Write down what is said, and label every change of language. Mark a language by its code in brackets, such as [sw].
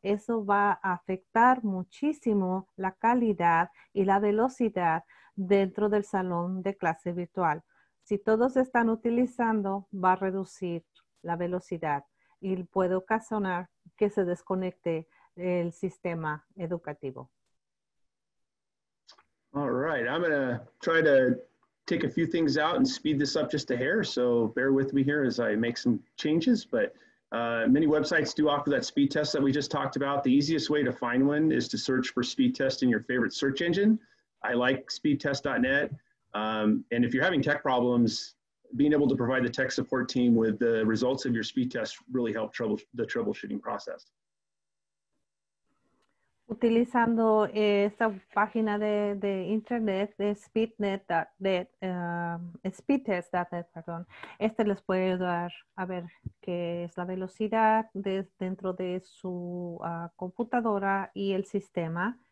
[es] Eso va a afectar muchísimo la calidad y la velocidad dentro del salón de clase virtual. Si todos están utilizando, va a reducir la velocidad y puede ocasionar que se desconecte el sistema educativo. [en] All right, I'm gonna try to take a few things out and speed this up just a hair. So bear with me here as I make some changes, but many websites do offer that speed test that we just talked about. The easiest way to find one is to search for speed test in your favorite search engine. I like speedtest.net. And if you're having tech problems, being able to provide the tech support team with the results of your speed test really help the troubleshooting process. [es] Utilizando esta página de internet, de speedtest.net, este les puede ayudar a ver qué es la velocidad dentro de su computadora y el sistema.